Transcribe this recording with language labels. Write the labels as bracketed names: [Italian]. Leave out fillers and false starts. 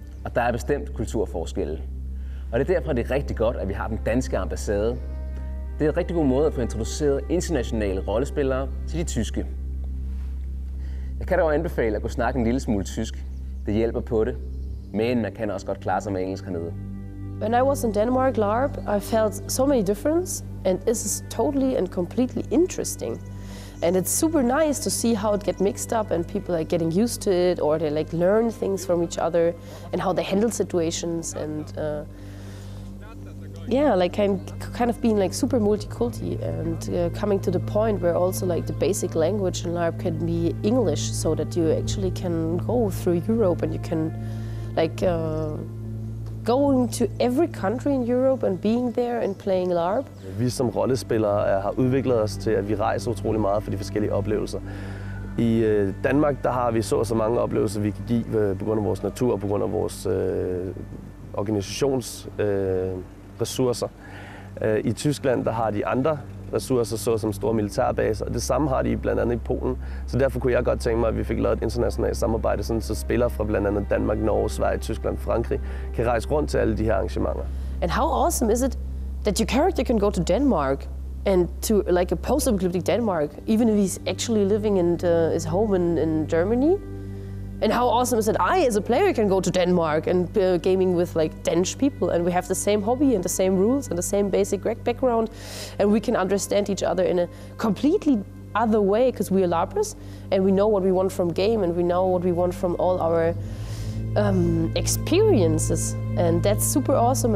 [Danish] Og der er bestemt kulturforskelle. Og det er derfor, det er rigtig godt, at vi har den danske ambassade. Det er en rigtig god måde at få introduceret internationale rollespillere til de tyske. Jeg kan dog anbefale at kunne snakke en lille smule tysk. Det hjælper på det. Men man kan også godt klare sig med engelsk hernede. [English] When I was in Denmark LARP, I felt so many difference, and this is totally and completely interesting. And it's super nice to see how it gets mixed up and people are getting used to it, or they like learn things from each other and how they handle situations and kind of being like super multiculti and coming to the point where also like the basic language in LARP can be English, so that you actually can go through Europe and you can like going to every country in Europe and being there and playing LARP. [Danish] Vi som rollespillere har udviklet os til, at vi rejser utrolig meget for de forskellige oplevelser. I Danmark der har vi så mange oplevelser, vi kan give på grund af vores natur og på grund af vores organisationsressourcer. I Tyskland der har de andre ressourcer, såsom store militærbaser, og det samme har de blandt andet i Polen. Så derfor kunne jeg godt tænke mig, at vi fik lavet et internationalt samarbejde, sådan, så spillere fra blandt andet Danmark, Norge, Sverige, Tyskland, Frankrig kan rejse rundt til alle de her arrangementer. [English] And how awesome is it that your character can go to Denmark and to like a post-apocalyptic Denmark, even if he's actually living in his home in Germany? And how awesome is it I, as a player, can go to Denmark and gaming with like Danish people, and we have the same hobby and the same rules and the same basic background, and we can understand each other in a completely other way because we are LARPers and we know what we want from game and we know what we want from all our experiences, and that's super awesome.